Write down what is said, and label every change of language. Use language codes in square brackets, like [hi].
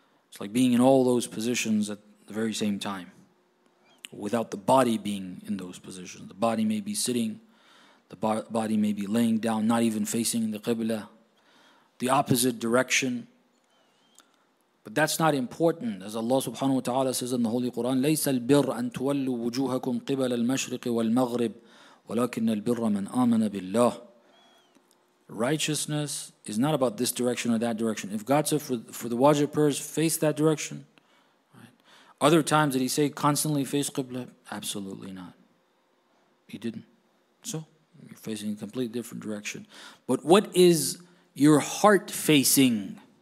[en] It's like being in all those positions at the very same time, without the body being in those positions. The body may be sitting, the body may be laying down, not even facing the qibla, the opposite direction. But that's not important. As Allah subhanahu wa ta'ala says in the Holy Quran, [ar] لَيْسَ الْبِرْ أَن تُوَلُّوا وُجُوهَكُمْ قِبَلَ الْمَشْرِقِ وَالْمَغْرِبِ وَلَكِنَّ الْبِرَّ مَنْ آمَنَ بِاللَّهِ. [en] Righteousness is not about this direction or that direction. If God said for the wajib prayers, face that direction. Right? Other times did he say constantly face qibla? Absolutely not. He didn't. So, you're facing a completely different direction. But what is your heart facing?